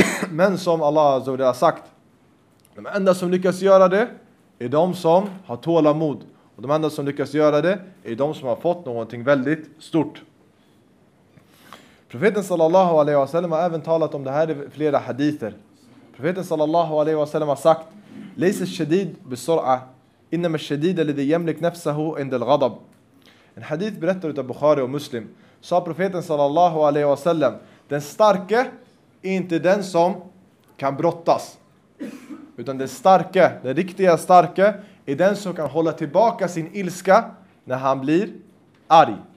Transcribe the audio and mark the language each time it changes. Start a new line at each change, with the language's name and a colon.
Swedish: Men som Allah azza wa jalla har sagt, de enda som lyckas göra det är de som har tålamod. Och de enda som lyckas göra det är de som har fått någonting väldigt stort. Profeten sallallahu alaihi wasallam har även talat om det här i flera hadither. Profeten sallallahu alaihi wasallam har sagt:
Arabic: ليس الشديد بسرعة إنما الشديد الذي يملك نفسه عند الغضب.
Swedish: En hadith berättar utav Bukhari och Muslim, sa profeten sallallahu alaihi wasallam: den starke är inte den som kan brottas, utan den starke, den riktiga starke, är den som kan hålla tillbaka sin ilska när han blir arg.